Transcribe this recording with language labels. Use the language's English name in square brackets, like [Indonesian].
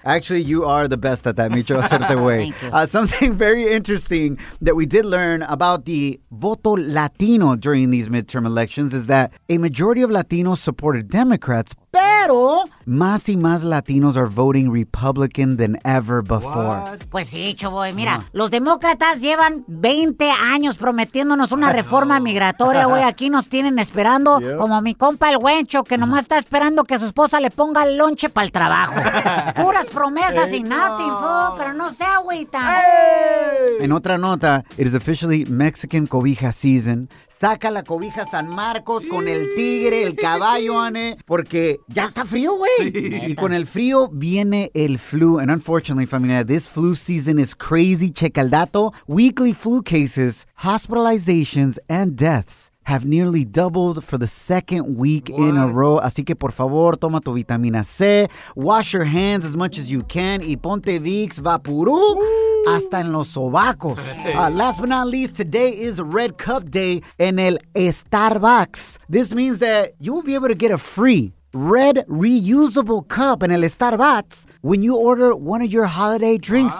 [English] Actually, you are the best at that, Micho, [Spanish] hacerte güey. [English] Something very interesting that we did learn about the voto latino during these midterm elections is that a majority of Latinos supported Democrats, [Spanish] pero más y más [English] Latinos are voting Republican than ever before. What? [Spanish] Pues sí, chavo. Mira, los demócratas llevan 20 años prometiéndonos una reforma migratoria, güey. Aquí nos tienen esperando como mi compa el Wencho, que nomás está esperando que su esposa le ponga el lonche para el trabajo. Puras promesas y [English] nothing, [Spanish] pero no sea agüita. En otra nota, [English] it is officially Mexican cobija season. [Spanish] Saca la cobija San Marcos con el tigre, el caballo, Ane, porque ya está frío, güey. Sí. Y con el frío viene el flu. [English] And unfortunately, familia, this flu season is crazy. [Spanish] Checa el dato. [English] Weekly flu cases, hospitalizations, and deaths have nearly doubled for the second week in a row. [Spanish] Así que, por favor, toma tu vitamina C. [English] Wash your hands as much as you can. [Spanish] Y ponte Vicks Vapurú. Hasta en los sobacos. [English] Last but not least, today is Red Cup Day [Spanish] en el Starbucks. [English] This means that you will be able to get a free red reusable cup [Spanish] en el Starbucks [English] when you order one of your holiday drinks.